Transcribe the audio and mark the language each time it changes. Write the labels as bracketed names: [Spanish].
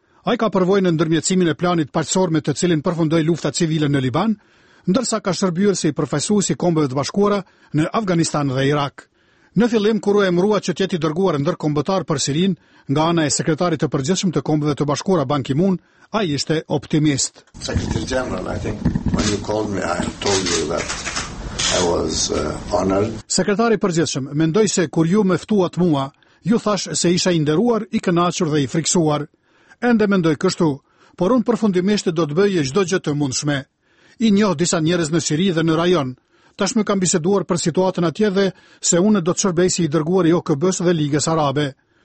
[Albanian] Ai ka përvojë në ndërmjetësimin e planit paqësor me të cilin përfundoi lufta civile në Liban, ndërsa ka shërbyer si profesor i Kombeve të Bashkuara në Afganistan dhe Irak. Në fillim kur u emërua që të jetë i dërguar ndërkombëtar për Sirin nga ana e sekretarit të përgjithshëm të Kombeve të Bashkuara Ban Ki-moon, ai ishte optimist. [English] Secretary General, I think when you called me I told you that I was honored. [Albanian] Sekretari i përgjithshëm, mendoj se kur ju më ftuat mua, ju thash se isha i nderuar, i kënaqur dhe i friksuar. Ende mendoj kështu, por unë përfundimisht do të bëjë çdo gjë të mundshme. I njoh disa njerëz në Siri dhe në rajon. Tashmë kam biseduar për situatën atje dhe se unë do të shërbej si i dërguar i OKB-s dhe Ligës Arabe.